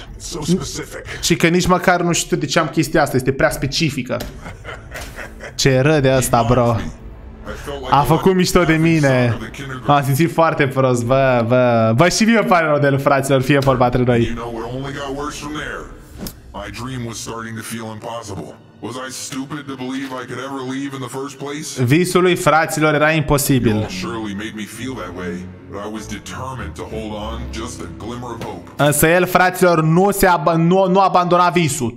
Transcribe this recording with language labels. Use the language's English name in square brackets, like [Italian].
[English] It's so specific. [Romanian] Cică nici măcar nu știu de ce am chestia asta, este prea specifică. Ce râde ăsta, bro. A făcut mișto de mine. M-am simțit foarte prost. Bă, bă. Bă, și mie pare rău de lui, fraților, fie vorba între noi. [English] My dream was starting to feel impossible. Was I stupid to believe I could ever leave in the first place? [Romanian] Visul lui, fraților, era imposibil. [English] Surely made me feel that way, but I was determined to hold on just a glimmer of hope. [Romanian] Însă el, fraților, nu abandona visul.